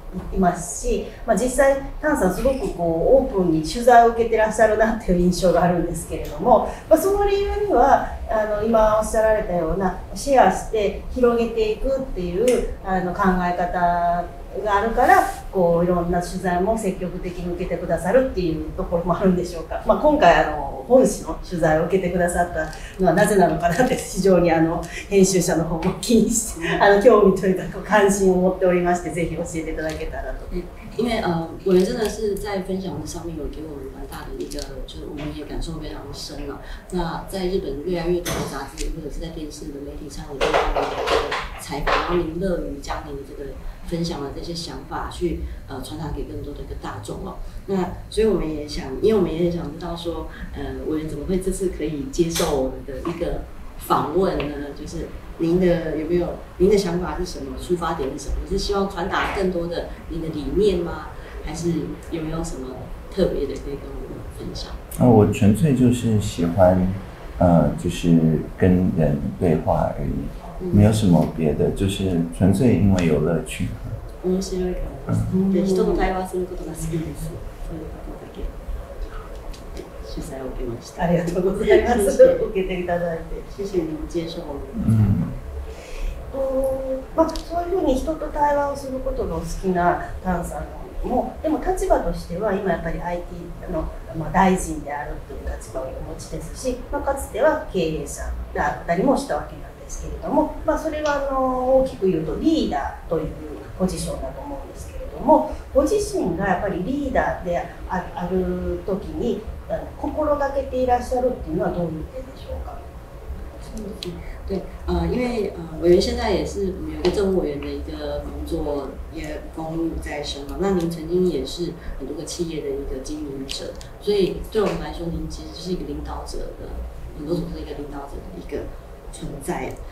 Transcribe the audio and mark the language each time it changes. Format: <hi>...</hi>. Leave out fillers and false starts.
<ja>てますし、まあ、実際タンさんすごくこうオープンに取材を受けてらっしゃるなっていう印象があるんですけれども、まあ、その理由には今おっしゃられたようなシェアして広げていくっていう考え方があるから、こういろんな取材も積極的に受けてくださるっていうところもあるんでしょうか。まあ、今回本誌の取材を受けてくださったのはなぜなのかなって、非常に編集者の方も気にして興味というか関心を持っておりまして、ぜひ教えていただけたらと。</ja> <zh>因为我们真的是在分享的上面有给我们蛮大的一个，就是我们也感受非常深了。那在日本越来越多的杂志或者是在电视的媒体上，也都看到您的采访，然后您乐于将您这个分享的这些想法去传达给更多的一个大众哦。那所以我们也想，因为我们也想知道说，我们怎么会这次可以接受我们的一个访问呢？就是您的有没有，您的想法是什么？出发点是什么？你是希望传达更多的您的理念吗？还是有没有什么特别的可以跟我们分享？我纯粹就是喜欢就是跟人对话而已，没有什么别的，就是纯粹因为有乐趣。</zh> <ja>面白いから、人と対話することが好きです。そういうことだけ主催を受けました。ありがとうございます。受けていただいて、</ja> <zh>谢谢你们接受我们。</zh> <ja>まあそういうふうに人と対話をすることが好きなタンさんも、でも立場としては今やっぱり IT の、まあ、大臣であるという立場をお持ちですし、まあ、かつては経営者であったりもしたわけなんですけれども、まあ、それはあの大きく言うとリーダーというポジションだと思うんですけれども、ご自身がやっぱりリーダーである時に心がけていらっしゃるっていうのはどういう点でしょうか。</ja> <zh>对，因为委员现在也是有一个政务委员的一个工作，也公务在身嘛。那您曾经也是很多个企业的一个经营者，所以对我们来说，您其实是一个领导者的，很多组织一个领导者的一个存在。</zh>